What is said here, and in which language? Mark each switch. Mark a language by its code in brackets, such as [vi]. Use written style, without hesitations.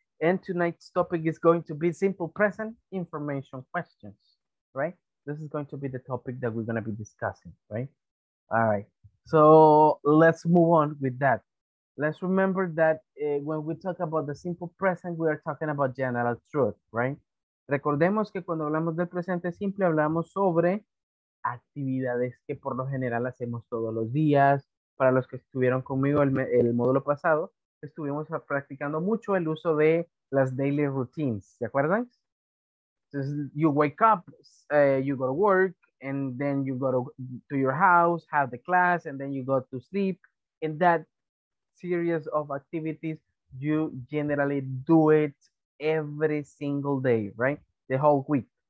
[en] And tonight's topic is going to be simple present information questions, right? This is going to be the topic that we're going to be discussing, right? All right. So let's move on with that. Let's remember that when we talk about the simple present, we are talking about general truth, right? [es] Recordemos que cuando hablamos del presente simple, hablamos sobre actividades que por lo general hacemos todos los días. Para los que estuvieron conmigo el módulo pasado, estuvimos practicando mucho el uso de las daily routines, ¿se acuerdan? [en] Entonces, you wake up, you go to work, and then you go to your house, have the class, and then you go to sleep. In that series of activities, you generally do it every single day, right? The whole week.